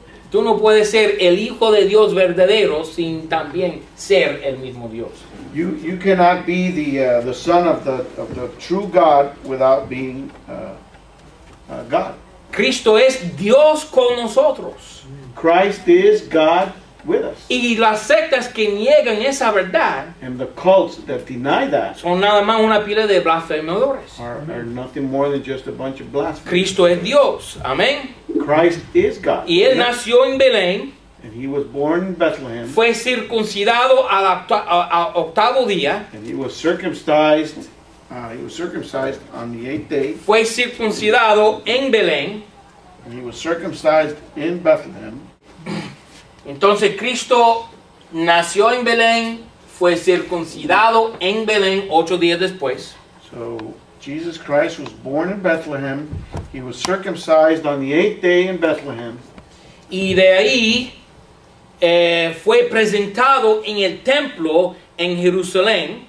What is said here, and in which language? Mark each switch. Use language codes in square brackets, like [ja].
[es] Tú no puedes ser el hijo de Dios verdadero sin también ser el mismo Dios. [en] You cannot be the son of the true God without being God. [es] Cristo es Dios con nosotros. [en] Christ is God with us. [es] Y las sectas que niegan esa verdad, [en] and the cults that deny that, [es] son nada más una pila de blasfemadores. [en] Are nothing more than just a bunch of blasphemers. [es] Cristo es Dios. Amén. [en] Christ is God. [es] Y él nació en Belén. [en] And he was born in Bethlehem. [es] Fue circuncidado al octavo día. [en] And he was circumcised. He was circumcised on the eighth day. [es] Fue circuncidado en Belén. [en] And he was circumcised in Bethlehem. [es] Entonces Cristo nació en Belén, fue circuncidado en Belén 8 días después. [en] So Jesus Christ was born in Bethlehem. He was circumcised on the eighth day in Bethlehem. [es] Y de ahí fue presentado en el templo en Jerusalén.